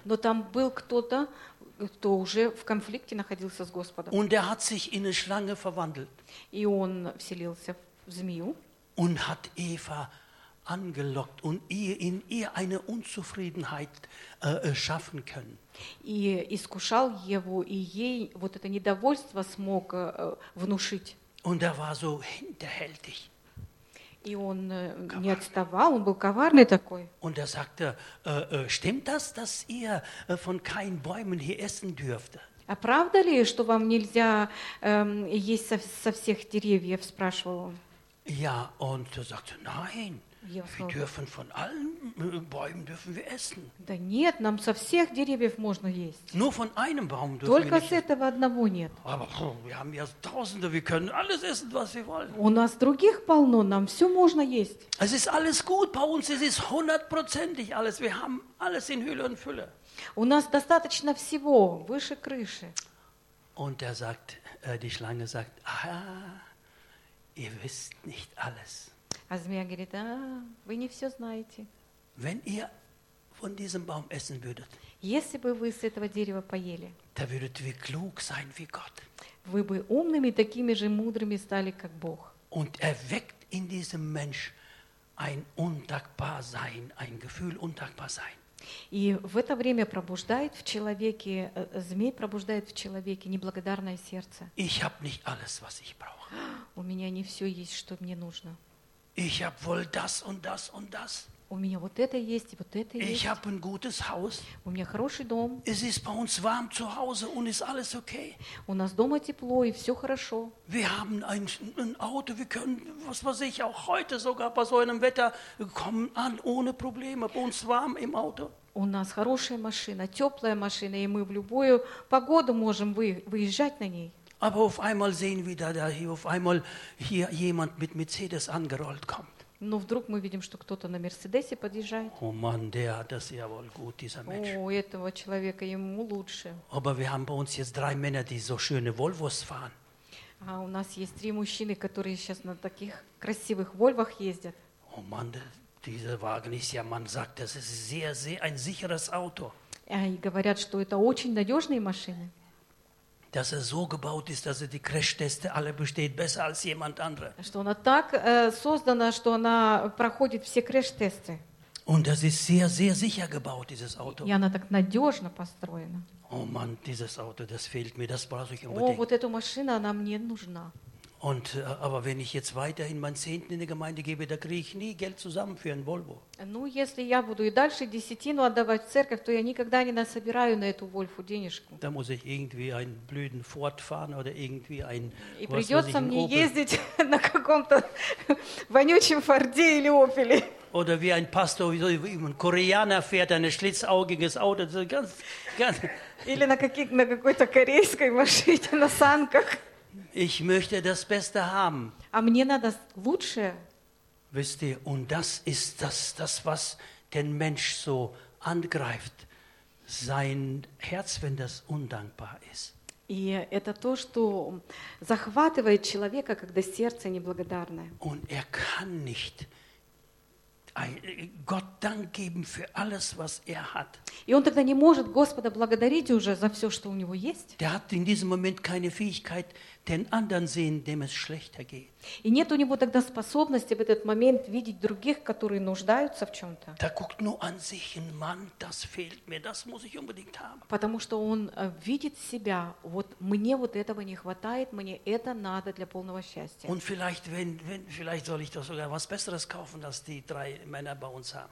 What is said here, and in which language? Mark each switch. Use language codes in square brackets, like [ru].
[ru] Но там был кто-то, кто уже в конфликте находился с Господом. [de] Und er hat sich in eine Schlange verwandelt. [ru] И он вселился в змею. [de] Und hat Eva angelockt und in ihr eine Unzufriedenheit schaffen können. [ru] И искушал Еву, и ей вот это недовольство смог внушить. [de] Und er war so hinterhältig. [ru] И он не отставал, он был коварный такой. [de] Und er sagte, stimmt das, dass ihr von keinen Bäumen hier essen dürft? [ru] А правда ли, что вам нельзя есть со всех деревьев, спрашивал он? [de] Ja, und er sagte, nein. Wir dürfen von allen Bäumen dürfen wir essen. [ru] Да нет, нам со всех деревьев можно есть. [de] Nur von einem Baum dürfen [ru] Только [de] wir nicht. [ru] Только с этого одного нет. [de] Aber wir haben ja Tausende, wir können alles essen, was wir wollen. [ru] У нас других полно, нам все можно есть. [de] Es ist alles gut bei uns, es ist hundertprozentig alles, wir haben alles in Hülle und Fülle. [ru] У нас достаточно всего, выше крыши. [de] Und er sagt, die Schlange sagt, ihr wisst nicht alles. [ru] А змея говорит, вы не все знаете. [de] Wenn ihr von diesem Baum essen würdet, [ru] если бы вы с этого дерева поели, [de] da würdet wir klug sein wie Gott. [ru] Вы бы умными, такими же мудрыми стали, как Бог. [de] Und erweckt in diesem Mensch ein undankbar sein, ein Gefühl undankbar sein. [ru] И в это время пробуждает в человеке, змей пробуждает в человеке неблагодарное сердце. [de] Ich hab nicht alles, was ich brauche. [ru] У меня не все есть, что мне нужно. [de] Ich hab wohl das und das und das. [ru] У меня вот это есть и вот это [de] ich [ru] есть. [de] Ich hab ein gutes Haus. [ru] У меня хороший дом. [de] Es ist bei uns warm zu Hause und ist alles okay. [ru] У нас дома тепло и все хорошо. [de] Wir haben ein Auto, wir können, was weiß ich, auch heute sogar bei so einem Wetter kommen an ohne Probleme. Bei uns warm im Auto. [ru] У нас хорошая машина, теплая машина, и мы в любую погоду можем выезжать на ней. [de] Aber auf einmal sehen wir da hier auf einmal hier jemand mit Mercedes angerollt kommt. [ru] Но вдруг мы видим, что кто-то на Мерседесе подъезжает. [de] Oh Mann, der hat das ja wohl gut, dieser Mensch. [ru] У этого человека ему лучше. [de] Aber wir haben bei uns jetzt drei Männer, die so schöne Volvos fahren. [ru] А у нас есть три мужчины, которые сейчас на таких красивых Вольвах ездят. [de] Oh Mann, dieser Wagen ist ja, man sagt, das ist sehr, sehr ein sicheres Auto. [ru] И говорят, что это очень надежные машины. [de] Dass er so gebaut ist, dass er die Crash-Teste alle besteht, besser als jemand andere. [ru] Что она так создана, что она проходит все Crash-Teste. [de] Und das ist sehr, sehr sicher gebaut, dieses Auto. [ru] И она так надежно построена. [de] Oh Mann, dieses Auto, das fehlt mir, das brauche ich unbedingt. [ru] Вот эта машина, она мне нужна. [de] Und aber wenn ich jetzt weiterhin meinen Zehnten in die Gemeinde gebe, da kriege ich nie Geld zusammen für ein Volvo. [ru] Ну, если я буду и дальше десятину отдавать в церковь, то я никогда не насобираю на эту Вольфу денежку. [de] Da muss ich irgendwie einen blöden Ford fahren oder irgendwie ein [ru] и придется мне ездить на каком-то вонючем Форде или Опеле. [de] Oder wie ein Pastor, wie ein Koreaner fährt, ein schlitzaugiges Auto, so ganz. [ru] Или на какой-то корейской машине на санках. [de] Ich möchte das Beste haben. [ru] А мне надо лучшее. [de] Wisst ihr, und das ist das, was den Mensch so angreift. Sein Herz, wenn das undankbar ist. [ru] И это то, что захватывает человека, когда сердце неблагодарное. [de] Und er kann nicht Gott Dank geben für alles, was er hat. [ru] И он тогда не может Господа благодарить уже за все, что у него есть. [de] Der hat in diesem Moment keine Fähigkeit, den anderen sehen, dem es schlechter geht. [ru] И нет у него тогда способности в этот момент видеть других, которые нуждаются в чем-то. [de] Der guckt nur an sich hin, Mann, das fehlt mir, das muss ich unbedingt haben. [ru] Потому что он видит себя, вот мне вот этого не хватает, мне это надо для полного счастья. [de] Und vielleicht, vielleicht soll ich doch sogar was Besseres kaufen, als die drei Männer bei uns haben.